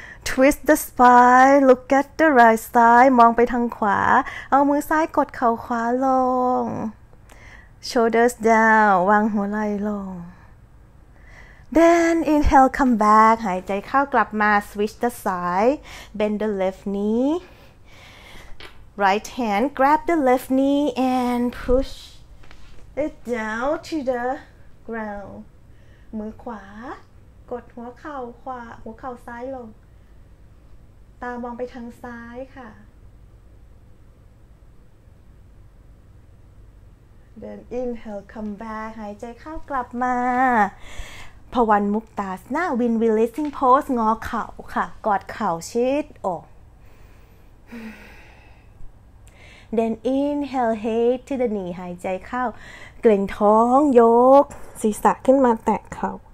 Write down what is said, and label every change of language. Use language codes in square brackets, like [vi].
[en] Twist the spine. Look at the right side. [th] มองไปทางขวาเอามือซ้ายกดเข่าขวาลง [en] Shoulders down. [th] วางหัวไหล่ลง [en] Then inhale, come back. [th] หายใจเข้ากลับมา [en] Switch the side. Bend the left knee. Right hand. Grab the left knee and push it down to the ground. [th] มือขวากดหัวเข่าขวาหัวเข่าซ้ายลงตามองไปทางซ้ายค่ะ [en] Then inhale, come back. [th] หายใจเข้ากลับมาพวันมุกตาสนะวินวิลลิสซิ่งโพสงอเข่าค่ะกอดเข่าชิดอก [en] Then inhale head to the knee [th] หายใจเข้าเกร็งท้องยกศีรษะขึ้นมาแตะเข่า